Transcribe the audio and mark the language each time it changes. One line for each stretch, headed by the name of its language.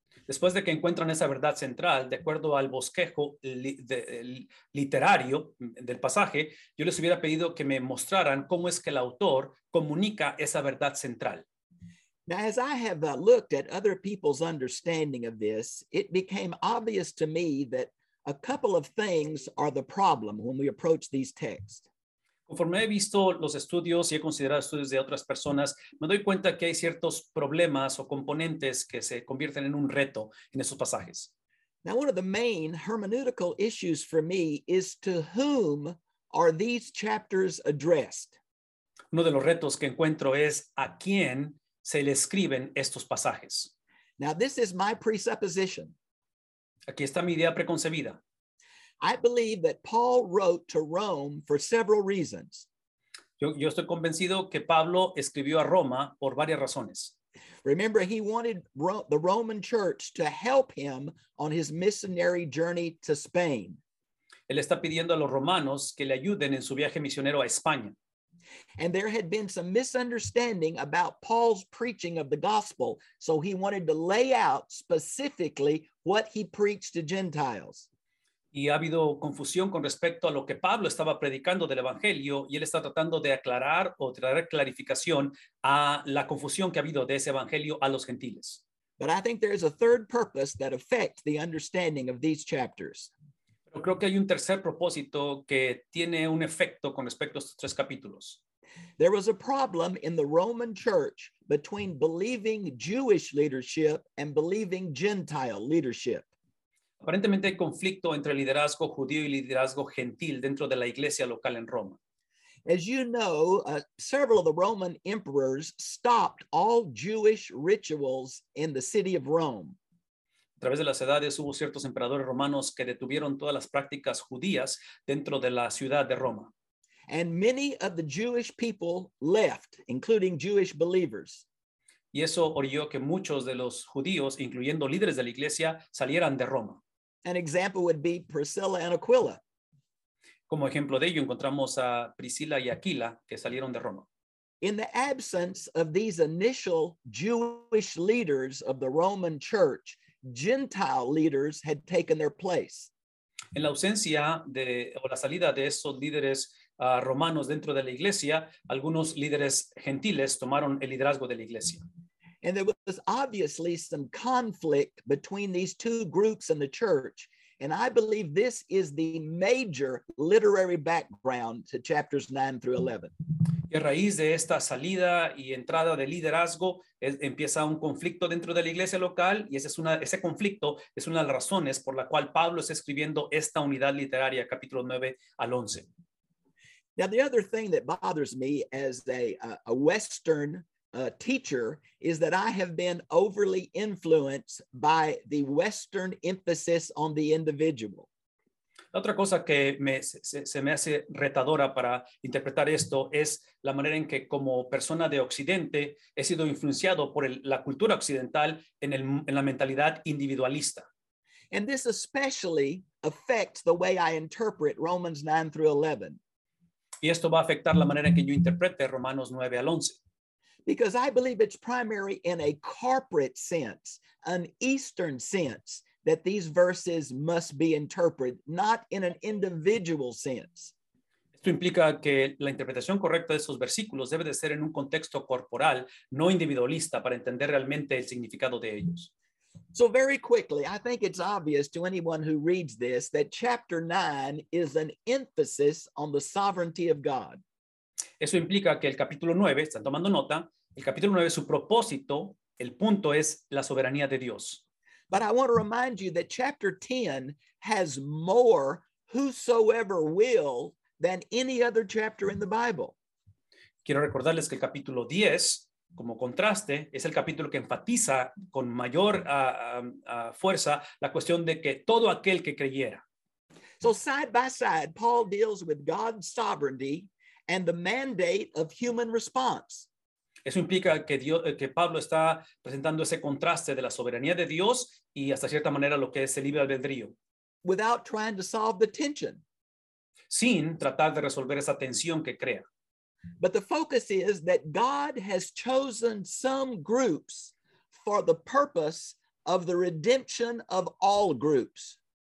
Spanish: Después de que encuentran esa verdad central, de acuerdo al bosquejo literario del pasaje, yo les hubiera pedido que me mostraran cómo es que el autor comunica esa verdad central.
English: Now, as I have looked at other people's understanding of this, it became obvious to me that a couple of things are the problem when we approach these texts.
Spanish: Conforme he visto los estudios y he considerado estudios de otras personas, me doy cuenta que hay ciertos problemas o componentes que se convierten en un reto en esos pasajes.
English: Now, one of the main hermeneutical issues for me is to whom are these chapters addressed?
Spanish: uno de los retos que encuentro es a quién se le escriben estos pasajes.
English: Now, this is my presupposition.
Spanish: Aquí está mi idea preconcebida.
English: I believe that Paul wrote to Rome for several reasons.
Spanish: Yo estoy convencido que Pablo escribió a Roma por varias razones.
English: Remember, he wanted the Roman church to help him on his missionary journey to Spain.
Spanish: Él está pidiendo a los romanos que le ayuden en su viaje misionero a España.
English: And there had been some misunderstanding about Paul's preaching of the gospel, so he wanted to lay out specifically what he preached to Gentiles.
Spanish: Y ha habido confusión con respecto a lo que Pablo estaba predicando del evangelio, y él está tratando de aclarar o traer clarificación a la confusión que ha habido de ese evangelio a los gentiles.
English: But I think there is a third purpose that affects the understanding of these chapters.
Spanish: Pero creo que hay un tercer propósito que tiene un efecto con respecto a estos tres capítulos.
English: There was a problem in the Roman church between believing Jewish leadership and believing Gentile leadership.
Spanish: Aparentemente hay conflicto entre liderazgo judío y liderazgo gentil dentro de la iglesia local en Roma.
English: As you know, several of the Roman emperors stopped all Jewish rituals in the city of Rome.
Spanish: A través de las edades hubo ciertos emperadores romanos que detuvieron todas las prácticas judías dentro de la ciudad de Roma.
English: And many of the Jewish people left, including Jewish believers.
Spanish: Y eso orilló que muchos de los judíos, incluyendo líderes de la iglesia, salieran de Roma.
English: An example would be Priscilla and Aquila.
Spanish: Como ejemplo de ello, encontramos a Priscila y Aquila, que salieron de Roma.
English: In the absence of these initial Jewish leaders of the Roman church, Gentile leaders had taken their place.
Spanish: En la ausencia de o la salida de esos líderes romanos dentro de la iglesia, algunos líderes gentiles tomaron el liderazgo de la iglesia.
English: And there was obviously some conflict between these two groups in the church, and I believe this is the major literary background to chapters 9 through 11.
Spanish: Y a raíz de esta salida y entrada de liderazgo, empieza un conflicto dentro de la iglesia local, y ese conflicto es una de las razones por la cual Pablo está escribiendo esta unidad literaria, capítulo 9 al 11.
English: Now, the other thing that bothers me as a Western teacher is that I have been overly influenced by the Western emphasis on the individual.
Spanish: Otra cosa que se me hace retadora para interpretar esto es la manera en que como persona de Occidente he sido influenciado por la cultura occidental en la mentalidad individualista.
English: And this especially affects the way I interpret Romans 9 through 11.
Spanish: Y esto va a afectar la manera en que yo interprete Romanos 9 al 11.
English: Because I believe it's primary in a corporate sense, an Eastern sense, that these verses must be interpreted, not in an individual sense.
Spanish: Esto implica que la interpretación correcta de esos versículos debe de ser en un contexto corporal, no individualista, para entender realmente el significado de ellos.
English: So very quickly, I think it's obvious to anyone who reads this that chapter 9 is an emphasis on the sovereignty of God.
Spanish: Eso implica que el capítulo 9, están tomando nota, el capítulo 9, su propósito, el punto es la soberanía de Dios.
English: But I want to remind you that chapter 10 has more whosoever will than any other chapter in the Bible.
Spanish: Quiero recordarles que el capítulo 10, como contraste, es el capítulo que enfatiza con mayor fuerza la cuestión de que todo aquel que creyera.
English: So side by side, Paul deals with God's sovereignty and the mandate of human response.
Spanish: Eso implica que Dios, que Pablo está presentando ese contraste de la soberanía de Dios y hasta cierta manera lo que es el libre albedrío.
English: Without trying to solve the tension.
Spanish: Sin tratar de resolver esa tensión que crea.
English: But the focus is that God has chosen some groups for the purpose of the redemption of all groups.